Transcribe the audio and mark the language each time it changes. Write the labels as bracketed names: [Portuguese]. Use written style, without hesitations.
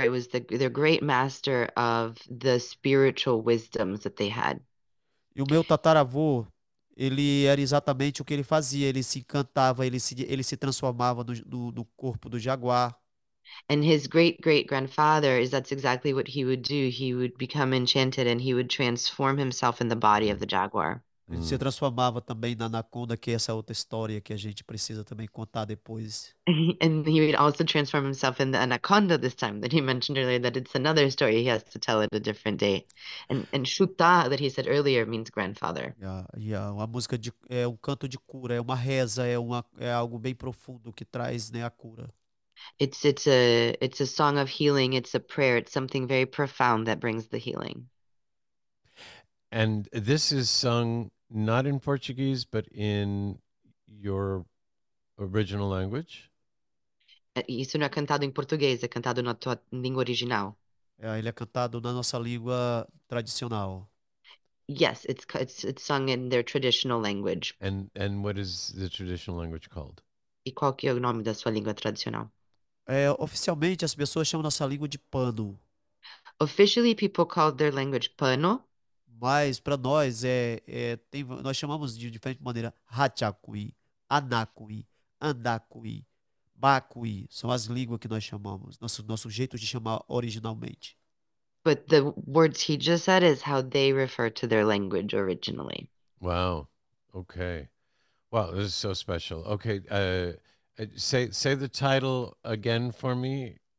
[English] It was their great master of the spiritual wisdoms that they had. [Portuguese] E o meu tataravô, ele era exatamente o que ele fazia. Ele se encantava, ele se transformava no corpo do jaguar. [English] And his great great grandfather is that's exactly what he would do. He would become enchanted and he would transform himself in the body of the jaguar. [Portuguese] Ele se transformava também na anaconda, que é essa outra história que a gente precisa também contar depois. [English] And he would also transform himself in the anaconda this time that he mentioned earlier, that it's another story he has to tell at a different day. And Chuta, that he said earlier, means grandfather. Yeah. [Portuguese] Uma música de, é um canto de cura, é uma reza, é algo bem profundo que traz, né, a cura. [English] It's a song of healing, it's a prayer, it's something very profound that brings the healing. And this is sung not in Portuguese, but in your original language? [Portuguese] Isso não é cantado em português, é cantado na tua língua original. Ele é cantado na nossa língua tradicional. [English] Yes, it's sung in their traditional language. And what is the traditional language called? [Portuguese] E qual que é o nome da sua língua tradicional? Oficialmente, as pessoas chamam nossa língua de Pano. [English] Officially, people call their language Pano. [Portuguese] Mas para nós nós chamamos de diferente maneira Hachakui, Anakui, Andakui, Bakui, são as línguas que nós chamamos, nosso jeito de chamar originalmente. [English] But the words he just said is how they refer to their language originally. Wow. Okay. Wow, this is so special. Okay, say the title again for me.